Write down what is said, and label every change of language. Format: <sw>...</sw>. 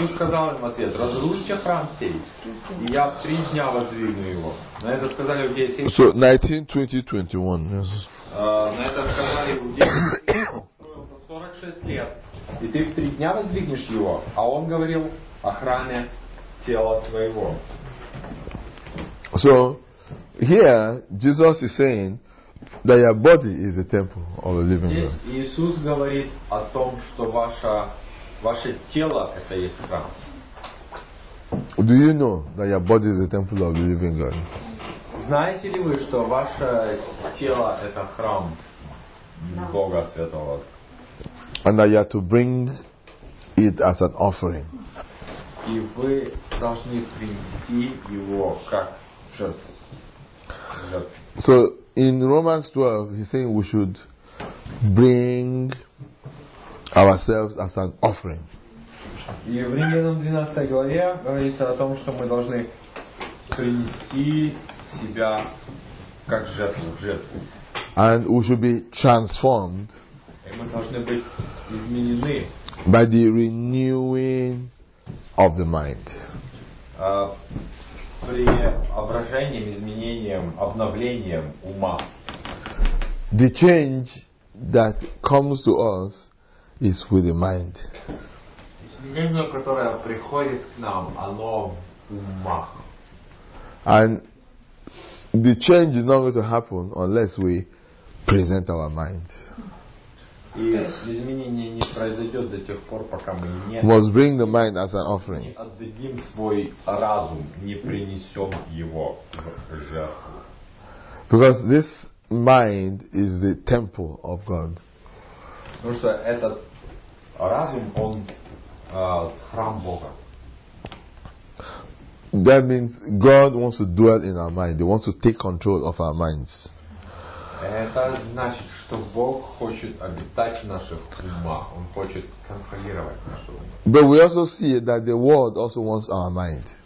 <ru>Иисус сказал им в ответ: разрушите храм сей, и я в три дня воздвигну его. На это сказали в 10.</ru> <en>So, 19, 20, 21. Yes.</en> <ru>На это сказали в 10. 46 лет, и ты в три дня воздвигнешь его, а он говорил о храме тела своего.</ru> <en>So, here, Jesus is saying that your body is a temple of the living God.</en> <ru>Иисус говорит о том, что ваше тело это есть храм.</ru> <en>Do you know that your body is a temple of the living God?</en> <ru>Знаете ли вы, что ваше тело это храм Бога Святого?</ru> <en>And that you have to bring it as an offering.</en> <ru>И вы должны принести его как жертву.</ru> <en>So in Romans 12, he's saying we should bring ourselves as an offering.</en> <ru>Евреям 12 главе говорится о том, что мы должны принести себя как жертву,</ru> <en>And we should be transformed.</en> <ru>И мы должны быть изменены.</ru> <en>By the renewing of the mind.</en> <ru>Преображением, изменением, обновлением ума.</ru> <en>The change that comes to us is with the mind.</en> <ru>Изменение, которое приходит к нам, оно в умах.</ru> <en>And the change is not going to happen unless we present our mind.</en> <ru>И изменение не произойдет до тех пор, пока мы не</ru> <en>must bring the mind as an offering.</en> <ru>Не отдадим свой разум, не принесем его в жертву.</ru> <en>Because this mind is the temple of God.</en> <ru>Потому что этот разум, он храм Бога.</ru> <en>That means God wants to dwell in our mind. He wants to take control of our minds.</en> <ru>Это значит, что Бог хочет обитать в наших умах. Он хочет контролировать наши умы.</ru> <en>But we also see that the world also wants our mind.</en>